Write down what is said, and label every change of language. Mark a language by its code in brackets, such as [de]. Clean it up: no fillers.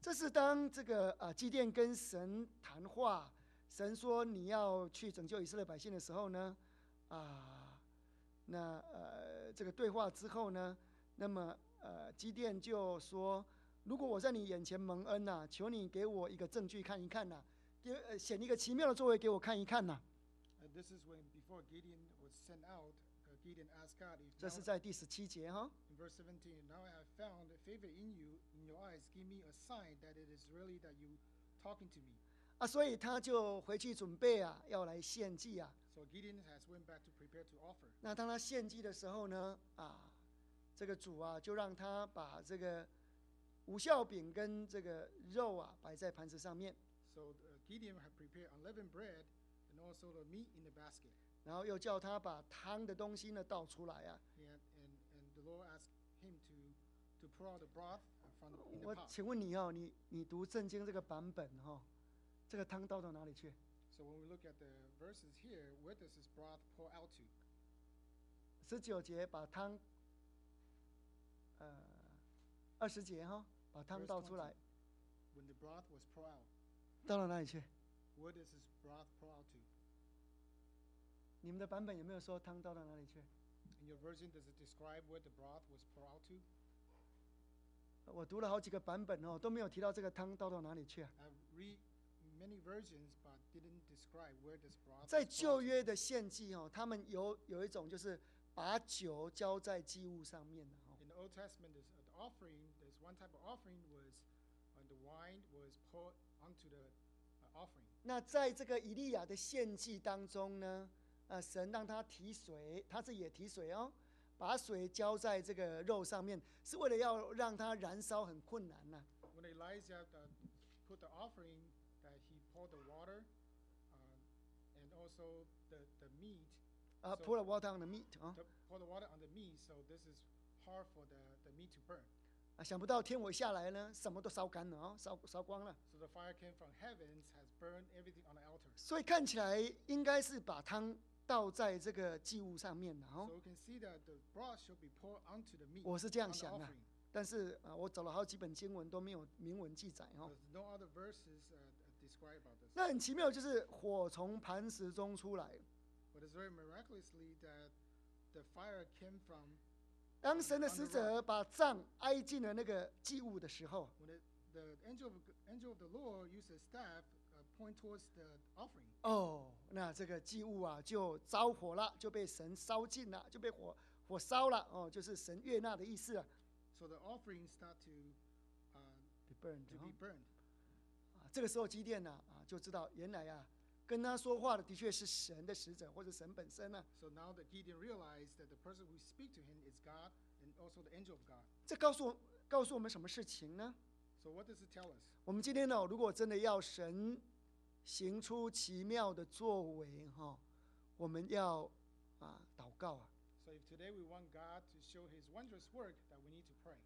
[zh] 这是当这个基甸跟神谈话，神说你要去拯救以色列百姓的时候呢，那这个对话之后呢，那么基甸就说：“如果我在你眼前蒙恩呐、啊，求你给我一个证据看一看呐、啊，显一个奇妙的作为给我看一看呐、啊。” [en] This is when before Gideon was sent out, Gideon asked God. If [zh] 这是在第十七节哈。 [en] In verse 17, now I have found favor in you, in your eyes, give me a sign that it is really that you talking to me. [zh] 啊，所以他就回去准备啊，要来献祭啊。 [en] So Gideon has went back to prepare to offer. [zh] 那当他献祭的时候呢，这个主啊，就让他把这个无酵饼跟这个肉啊，摆在盘子上面。 [en] So Gideon had prepared unleavened bread and also the meat in the basket. [zh] 然后又叫他把汤的东西呢倒出来啊。 [en] And the Lord asked him to pour out the broth from the pot. [zh] 我请问你哦，你读圣经这个版本哈、哦，这个汤倒到哪里去？ [en] So when we look at the verses here, where does this broth pour out to? [zh] 十九节把汤，二十节哈，把汤倒出来。 [en] When the broth was poured out. [zh] 到了哪里去 [en] ？Where does this broth pour out to? [zh] 你们的版本有没有说汤倒到哪里去 [en] ？In your version, does it describe where the broth was poured out to? [zh] 我读了好几个版本哦，都没有提到这个汤倒到哪里去。 [en] Many versions, but didn't describe where this broth. [zh] 在旧约的献祭哦，他们有一种就是把酒浇在祭物上面的哈。 [en] In the Old Testament, the offering, there's one type of offering was, the wine was poured onto the offering. [zh] 那在这个以利亚的献祭当中呢，神让他提水，他自己也提水哦，把水浇在这个肉上面，是为了要让它燃烧很困难呐。 [en] When Elijah put the offering. He poured the water, and also the meat. Pour the water on the meat. Pour the water on the meat. So this is hard for the meat to burn. [zh] 想不到天火下来呢，什么都烧干了啊，烧光了。 [en] So the fire came from heavens, has burned everything on the altar. [zh] 所以看起来应该是把汤倒在这个祭物上面的哦。 [en] So you can see that the broth should be poured onto the meat. [zh] 我是这样想的。但是我找了好几本经文都没有明文记载哦。 [en] No other verses describe about this. [zh] 那很奇妙，就是火从磐石中出来。 [en] But it's very miraculously that the fire came from. [zh] 当神的使者把杖挨进了那个祭物的时候 [en] ，When the angel of the Lord used a staff, point towards the offering. [zh] 哦，那这个祭物啊就着火了，就被神烧尽了，就被火烧了。哦，就是神悦纳的意思啊。 [en] So the offering start to be burned. To be burned. [zh] 啊，这个时候基甸呢 啊就知道原来啊。跟他说话的的确是神的使者或者神本身啊。 [en] So now that Gideon realized that the person who speaks to him is God and also the angel of God. [zh] 这告诉我们什么事情呢 [en] ？So what does it tell us? [zh] 我们今天呢，如果真的要神行出奇妙的作为哈，我们要啊祷告啊。 [en] So if today we want God to show His wondrous work, that we need to pray.